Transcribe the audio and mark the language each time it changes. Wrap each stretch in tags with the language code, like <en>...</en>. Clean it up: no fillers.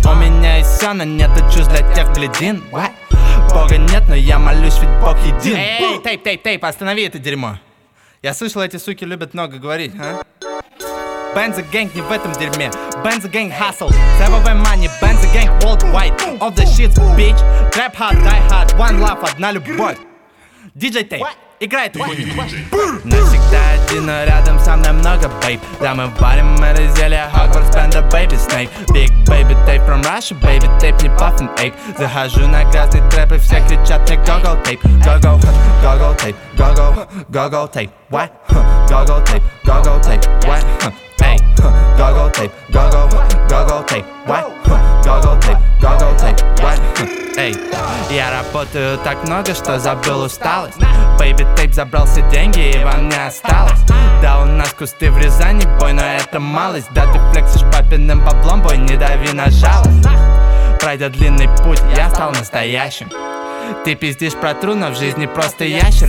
<ru>У меня есть все, но нет чувств для тех блядин. Бога нет, но я молюсь, ведь Бог един. Эй, тейп, останови это дерьмо. Я слышал, эти суки любят много говорить, а? Benzo Gang не в этом дерьме.</ru> <en>Benzo Gang hustle, ZVV money. Benzo Gang worldwide, all the shit, bitch. Trap hard, die hard, one love,</en> <ru>одна любовь. DJ Tape, играй эту хуйню. Навсегда один, но рядом со мной много, бейб. Да мы варим это зелье, Hogwarts, Panda, Baby Snake.</ru> <en>Big Baby Tape from Russia, Baby Tape, не puffin ape.</en> <ru>Захожу на красный трэп, и все кричат мне Goggle Tape.</ru> <en>Goggle, Goggle Tape, Goggle, Goggle Tape. What? Goggle Tape, Goggle Tape, what? Goggle tape, goggle, goggle tape, what? Goggle tape, goggle tape, what?</en> <ru>Эй, я работаю так много, что забыл усталость. Baby tape забрал все деньги, и вам не осталось. Да у нас кусты в Рязани, бой, но это малость. Да ты флексишь папиным баблом, бой, не дави на жалость. Пройдя длинный путь, я стал настоящим. Ты пиздишь про труна, в жизни просто ящер.</ru>